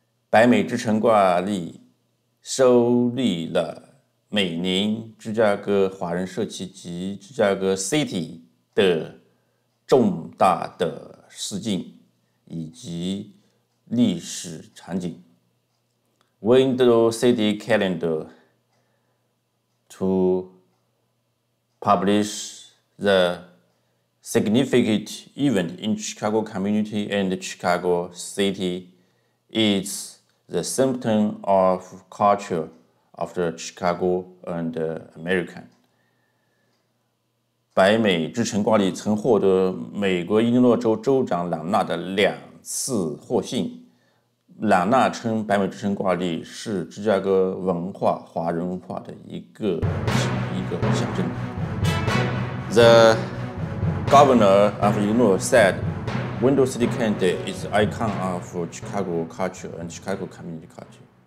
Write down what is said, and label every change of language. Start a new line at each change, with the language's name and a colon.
Chinese: 北美之声挂历收录了每年芝加哥华人社区及芝加哥 City 的重大的事件以及历史场景。
English: Window City Calendar to publish the significant event in Chicago community and Chicago city is the symptom of culture of the Chicago and American.
Chinese: 北美之城挂历曾获得美国伊利诺州州长朗纳的两次获信。朗纳称北美之声挂历是芝加哥文化华人化的一个象征。
English: The governor of Illinois said Window City Calendar is icon of Chicago culture and Chicago community culture.